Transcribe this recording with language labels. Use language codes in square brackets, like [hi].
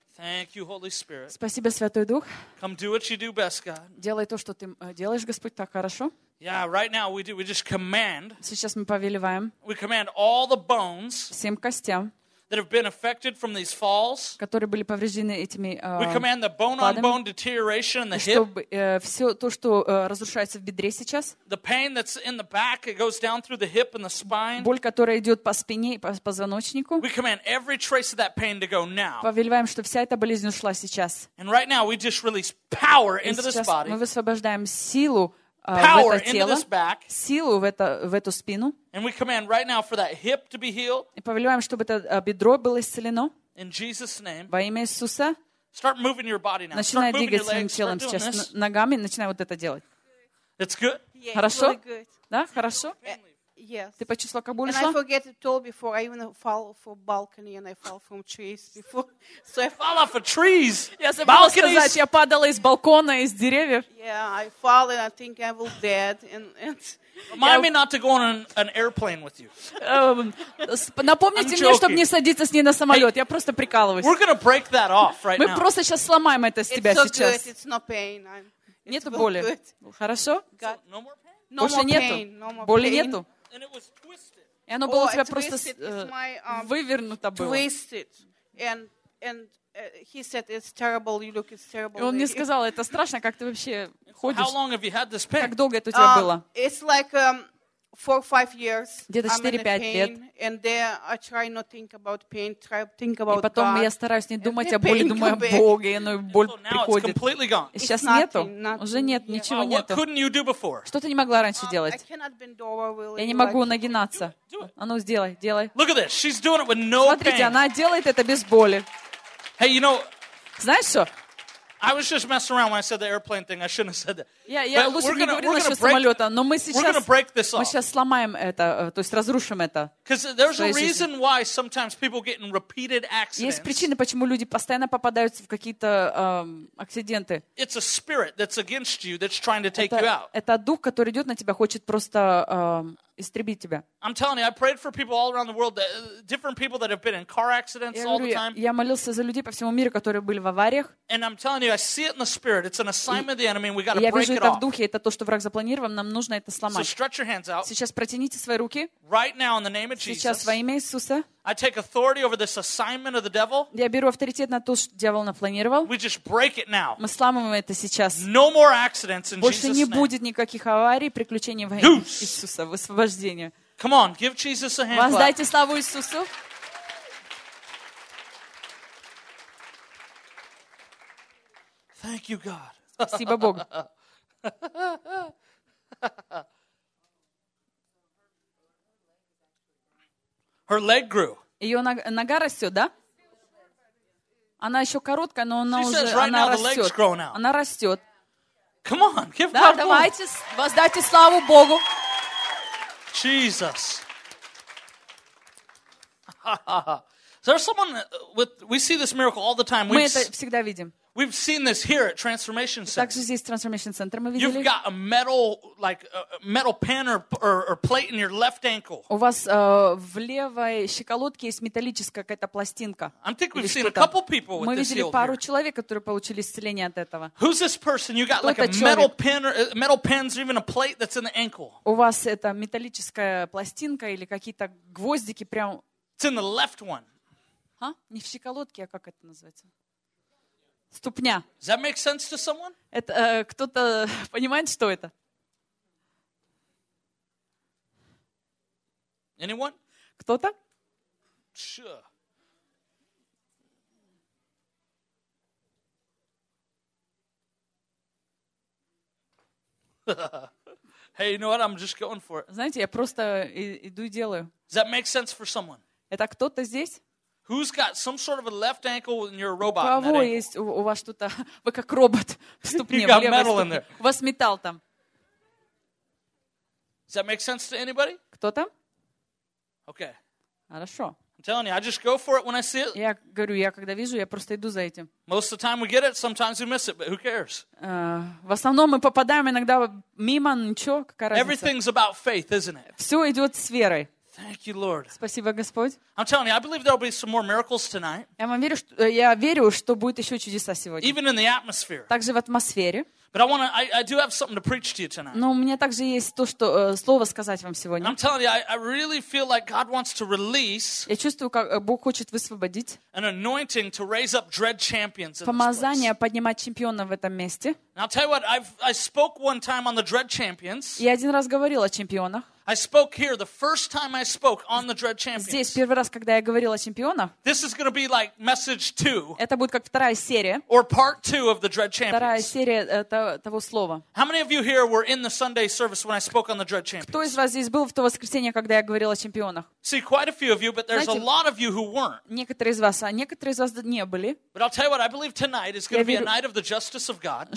[en] Thank you, Holy Spirit. [ru] Спасибо, Святой Дух. [en] Come do what you do best, God. [ru] Делай то, что ты делаешь, Господь, так хорошо. [en] Yeah, right now we do. We just command. [ru] Сейчас мы повелеваем. [en] We command all the bones. [ru] Всем костям. [en] That have been affected from these falls. [ru] Которые были повреждены этими падами. [en] We command the bone-on-bone deterioration in the hip. [ru] Чтобы все то, что разрушается в бедре сейчас. [en] The pain that's in the back, it goes down through the hip and the spine. [ru] Боль, которая идет по спине и по позвоночнику. [en] We command every trace of that pain to go now. [ru] Повелеваем, что вся эта болезнь ушла сейчас. [en] And right now we just release power into this body. [ru] Мы высвобождаем силу. [en] Power into this back. [ru] Силу в эту спину. [en] And we command right now for that hip to be healed. [ru] И повелеваем, чтобы это бедро было исцелено. [en] In Jesus' name. [ru] Во имя Иисуса. [en] Start moving your body now. [ru] Начинай двигать своим телом сейчас ногами. Начинай вот это делать. [en] It's good. [ru] Хорошо? Да, хорошо? [en] Yes. [ru] Ты почувствовал, как боль ушла? [en] And I forget it all before. I even fall off a balcony and I fall from trees before. So I fall off of trees. [ru] Я забыла сказать, я падала из балкона, из деревьев. [en] Yeah, I fall and I think I will dead. And remind me not to go on an airplane with you. [ru] Напомните мне, чтобы не садиться с ней на самолет. Я просто прикалываюсь. [en] We're gonna break that off right now. [ru] Мы просто сейчас сломаем это с тебя сейчас. [en] It's so good. It's no pain. [ru] Нет боли. Хорошо? [en] No more pain. [ru] Больше нету. Боли нету. [en] And it was twisted. [ru] И оно было у тебя просто вывернуто было. [en] And he said it's terrible. You look, it's terrible. [ru] И он мне сказал, это страшно, как ты вообще ходишь? [en] How long have you had this pain? [ru] Как долго это у тебя было? [en] It's like 4 or 5 years. [ru] Где-то 4-5 лет. [en] And then I try not think about pain. Try think about. [ru] И потом [en] God. [ru] Я стараюсь не думать о боли, думаю о Боге, и оно боль приходит. [en] Completely gone. [ru] И сейчас [en] nothing, [ru] нету. [en] Nothing, [ru] уже нет, [en] yeah. [ru] Ничего [en] what [ru] нету. [en] Couldn't you do before? [ru] Что ты не могла раньше делать? [en] I cannot bend over, really. [ru] Я не могу нагинаться. А ну сделай, делай. [en] Look at this. She's doing it with no pain. [ru] Смотрите, она делает это без боли. [en] Hey, you know, [ru] знаешь что? [en] I was just messing around when I said the airplane thing. I shouldn't have said that. Yeah, but [ru] лучше не говорила насчет самолета, но мы сейчас, [en] we're gonna break this off. [ru] Мы сейчас сломаем это, то есть разрушим это. [en] Because there's a reason why sometimes people get in repeated accidents. [ru] Есть причины, почему люди постоянно попадаются в какие-то акциденты. [en] It's a spirit that's against you that's trying to take you out. [ru] Это дух, который идет на тебя, хочет просто истребить тебя. [en] I'm telling you, I prayed for people all around the world, different people that have been in car accidents all the time. [ru] Я молился за людей по всему миру, которые были в авариях. [en] And I'm telling you, I see it in the spirit. It's an assignment of the enemy, and we got to break it off. [ru] Я вижу это в духе, это то, что враг запланировал, нам нужно это сломать. [en] So stretch your hands out. [ru] Сейчас протяните свои руки. [en] Right now, in the name of Jesus. [ru] Сейчас во имя Иисуса. [en] I take authority over this assignment of the devil. [ru] Я беру авторитет на то, что дьявол напланировал. [en] We just break it now. [ru] Мы сломаем это сейчас. [en] No more accidents in Jesus' name. [ru] Больше не будет никаких аварий, приключений во имя Иисуса. Высвобождение. [en] Come on, give Jesus a hand. [ru] Воздайте славу Иисусу. [en] Thank you, God. [ru] Спасибо Богу. [en] Her leg grew. [ru] Ее нога растет, да? Она еще короткая, но она уже растет. Она растет. [en] Come on, give [ru] Да, давайте воздайте славу Богу. [en] Jesus. Is there someone with? We see this miracle all the time. [ru] Мы это всегда видим. [en] We've seen this here at Transformation Center. [ru] Также здесь Transformation Center мы видели. [en] You've got a metal, like a metal pan or plate in your left ankle. [ru] У вас в левой щиколотке есть металлическая какая-то пластинка. [en] I think we've seen a couple people with this healing. [ru] Мы видели пару человек, которые получили исцеление от этого. [en] Who's this person? You got like a metal pan or metal pins or even a plate that's in the ankle. [ru] У вас это металлическая пластинка или какие-то гвоздики прям? [en] It's in the left one. [ru] А? Не в щиколотке, а как это называется? Ступня. [en] Does that make sense to someone? [ru] Это кто-то понимает, что это? [en] Anyone? [ru] Кто-то? [en] Sure. Hey, you know what? I'm just going for it. [ru] Знаете, я просто иду и делаю. [en] Does that make sense for someone? [ru] Это кто-то здесь? [en] Who's got some sort of a left ankle when you're a robot? [ru] У кого есть у вас что-то? Вы как робот в ступне, в левой ступне. У вас металл там. [en] Does that make sense to anybody? [ru] Кто там? [en] Okay. [ru] Хорошо. [en] I'm telling you, I just go for it when I see it. [ru] Я говорю, я когда вижу, я просто иду за этим. [en] Most of the time we get it, sometimes we miss it, but who cares? [ru] В основном мы попадаем иногда мимо, ничего, какая разница. [en] Everything's about faith, isn't it? [ru] Все идет с верой. [en] Thank you, Lord. [ru] Спасибо, Господь. [en] I'm telling you, I believe there'll be some more miracles tonight. [ru] Я вам верю, что я верю, что будет еще чудеса сегодня. [en] Even in the atmosphere. [ru] Также в атмосфере. [en] But I do have something to preach to you tonight. [ru] Но у меня также есть то, что слово сказать вам сегодня. [en] I'm telling you, I really feel like God wants to release. [ru] Я чувствую, как Бог хочет высвободить. [en] An anointing to raise up dread champions. [ru] Помазание поднимать чемпионов в этом месте. [en] And I'll tell you what, I spoke one time on the dread champions. [ru] Я один раз говорил о чемпионах. [en] I spoke here the first time I spoke on the Dread Champions. [ru] Здесь первый раз, когда я говорил о чемпионах. [en] This is going to be like message two. [ru] Это будет как вторая серия. [en] Or part two of the Dread Champions. [ru] Вторая серия того слова. [en] How many of you here were in the Sunday service when I spoke on the Dread Champions? [ru] Кто из вас здесь был в то воскресенье, когда я говорил о чемпионах? [en] See, quite a few of you, but there's a lot of you who weren't. [ru] Некоторые из вас, а некоторые из вас не были. [en] But I'll tell you what, I believe tonight is going to be a night of the justice of God.